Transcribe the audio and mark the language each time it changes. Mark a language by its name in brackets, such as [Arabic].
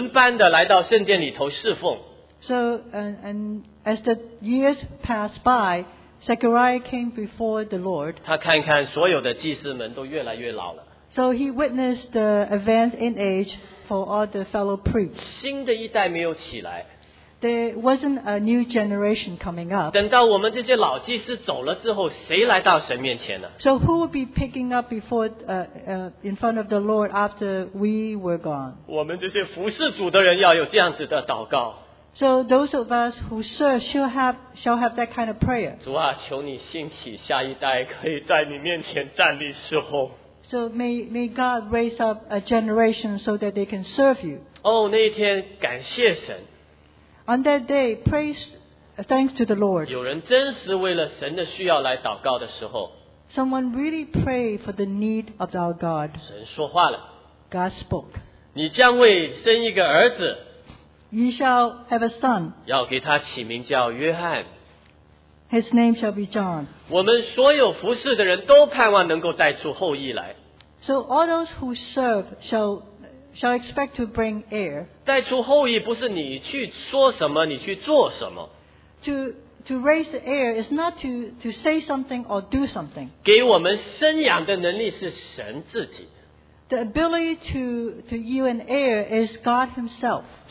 [Chinese] 但是一年一年过来，撒迦利亚轮班的来到圣殿里头侍奉。 [English] So and as the years pass by, Zechariah came before the Lord. [Chinese] 他看看所有的祭司们都越来越老了。 [English] So he witnessed the advance in age for all the fellow priests. [Chinese] 新的一代没有起来。 [English] There wasn't a new generation coming up. [Chinese] 等到我们这些老祭司走了之后，谁来到神面前呢？ [English] So who would be picking up before in front of the Lord after we were gone? [Chinese] 我们这些服侍主的人要有这样子的祷告。 [English] So those of us who serve shall have that kind of prayer. [Chinese] 主啊, 求你兴起下一代可以在你面前站立侍奉。 [English] So may God raise up a generation so that they can serve you. [Chinese] 哦, 那一天感谢神。 [English] On that day, praise thanks to the Lord. [Chinese] 有人真实为了神的需要来祷告的时候, [English] someone really prayed for the need of our God. [Chinese] 神说话了, [English] God spoke. [Chinese] 你将为生一个儿子。 [English] You shall have a son. [Chinese] 要给他起名叫约翰。 [English] His name shall be John. [Chinese] 我们所有服侍的人都盼望能够带出后裔来。 [English] So all those who serve shall expect to bring heir. [Chinese] 带出后裔不是你去说什么，你去做什么。 [English] To raise the heir is not to say something or do something. [Chinese] 给我们生养的能力是神自己。 [English] The ability to yield an heir is God Himself.